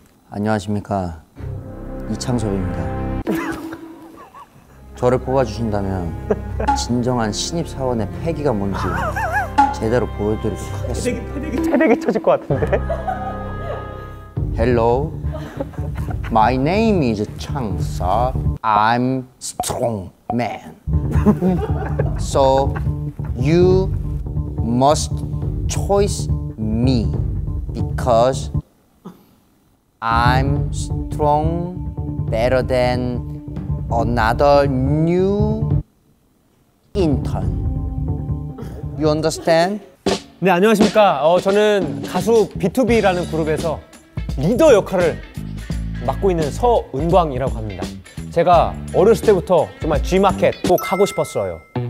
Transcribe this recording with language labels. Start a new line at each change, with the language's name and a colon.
Korean: 안녕하십니까, 이창섭입니다. 저를 뽑아주신다면 진정한 신입 사원의 패기가 뭔지 제대로 보여드리도록 하겠습니다. 패대기 쳐질 것 같은데?
English: Hello, my name is 창서. I'm strong man. So you must choose me because I'm strong better than another new intern. You understand?
Korean: 네, 안녕하십니까. 저는 가수 B2B라는 그룹에서 리더 역할을 맡고 있는 서은광이라고 합니다. 제가 어렸을 때부터 정말 G마켓 꼭 하고 싶었어요.